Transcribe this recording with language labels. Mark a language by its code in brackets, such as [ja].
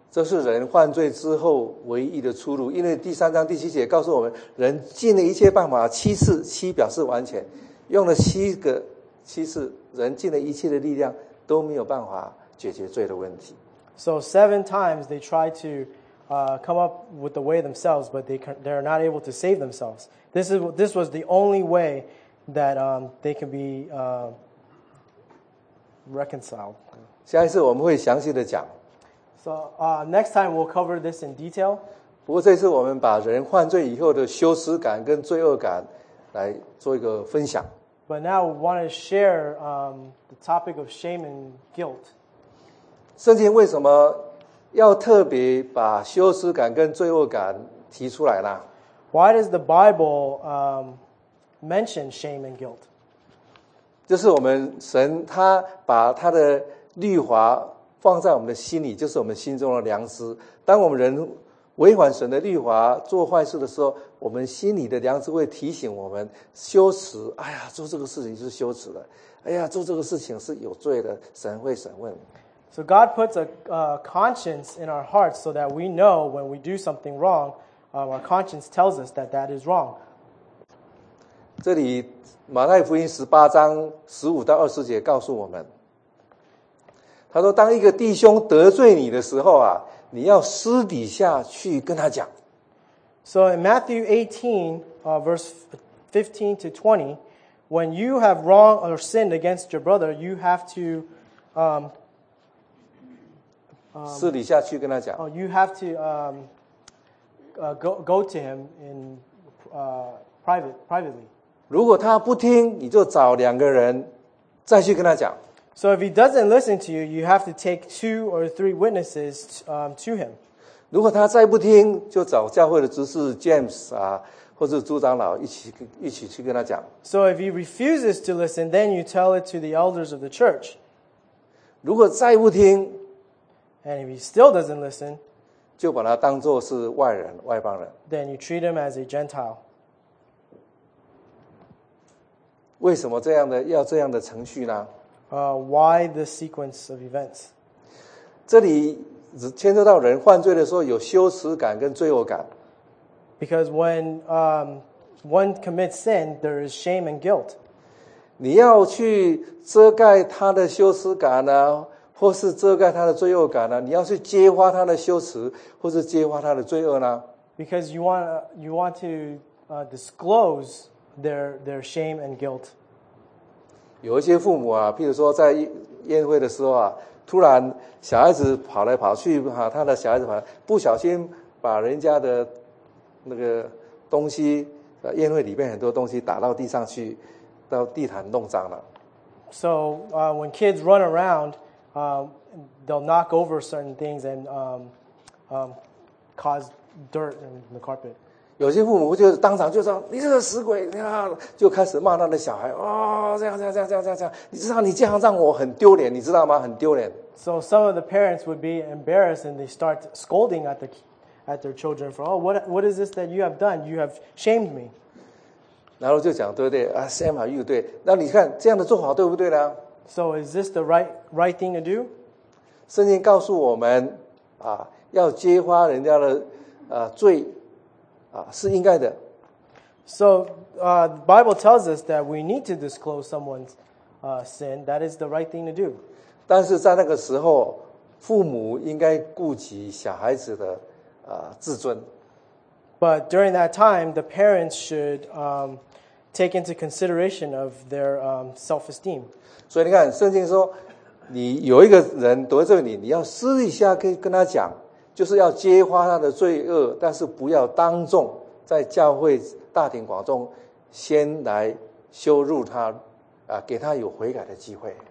[zh] 这是人犯罪之后唯一的出路，因为第三章第七节告诉我们，人尽了一切办法，七次，七表示完全，用了七个七次，人尽了一切的力量都没有办法解决罪的问题。 [en] So seven times they try to come up with the way themselves, but they are not able to save themselves. This was the only way that they can be reconciled. [zh] 下一次我们会详细的讲。 [en] So, next time we'll cover this in detail. [zh] 不过这次我们把人犯罪以后的羞耻感跟罪恶感来做一个分享。 [en] But now we want to share the topic of shame and guilt. [zh] 圣经为什么要特别把羞耻感跟罪恶感提出来呢？ [en] Why does the Bible mention shame and guilt? [zh] 就是我们神他把他的律法放在我们的心里，就是我们心中的良知。当我们人违反神的律法做坏事的时候，我们心里的良知会提醒我们羞耻。哎呀，做这个事情是羞耻的，哎呀，做这个事情是有罪的，神会审问。 [en] So God puts a conscience in our hearts so that we know when we do something wrong, our conscience tells us that that is wrong. [zh] 这里马太福音十八章十五到二十节告诉我们，他说：“当一个弟兄得罪你的时候啊，你要私底下去跟他讲。” [en] So in Matthew 18, verse 15 to 20, when you have wronged or sinned against your brother, you have to [zh] 私底下去跟他讲。 [en] You have to go to him in privately. [zh] 如果他不听，你就找两个人再去跟他讲。 [en] So if he doesn't listen to you, you have to take two or three witnesses to him. [zh] 如果他再不听，就找教会的执事 James 啊，或者朱长老一起去跟他讲。 [en] So if he refuses to listen, then you tell it to the elders of the church. [zh] 如果再不听， [en] and if he still doesn't listen, [zh] 就把他当作是外人，外邦人。 [en] Then you treat him as a Gentile. [zh] 为什么这样的要这样的程序呢？ [en] Why the sequence of events? [zh] 这里牵涉到人犯罪的时候有羞耻感跟罪恶感。 [en] Because when one commits sin, there is shame and guilt. [zh] 你要去遮盖他的羞耻感呢，或是遮盖他的罪恶感呢？你要去揭发他的羞耻，或是揭发他的罪恶呢？ [en] Because you want to disclose their shame and guilt. [zh] 有一些父母啊，譬如说在宴会的时候啊，突然小孩子跑来跑去啊，他的小孩子跑来，不小心把人家的那个东西，宴会里面很多东西打到地上去，到地毯弄脏了。 [en] So, when kids run around, they'll knock over certain things and cause dirt in the carpet. [zh] 有些父母就当场就说：“你这个死鬼！” 就开始骂他的小孩。哦，这样，你知道你这样让我很丢脸，你知道吗？很丢脸。 [en] So some of the parents would be embarrassed and they start scolding at their children for, oh, what is this that you have done? You have shamed me. [zh] 然后就讲对不对啊 ？Sam 好又对，那你看这样的做法对不对呢 [en] ？So is this the right thing to do? [zh] 圣经告诉我们啊，要揭发人家的罪啊是应该的。 [en] So the Bible tells us that we need to disclose someone's sin. That is the right thing to do. [zh] 但是在那个时候，父母应该顾及小孩子的自尊。 [en] But during that time, the parents should take into consideration of their self-esteem. [zh] 所以你看，圣经说，你有一个人得罪你，你要私底下可以跟他讲，就是要揭发他的罪恶，但是不要当众在教会大庭广众先来羞辱他，给他有悔改的机会。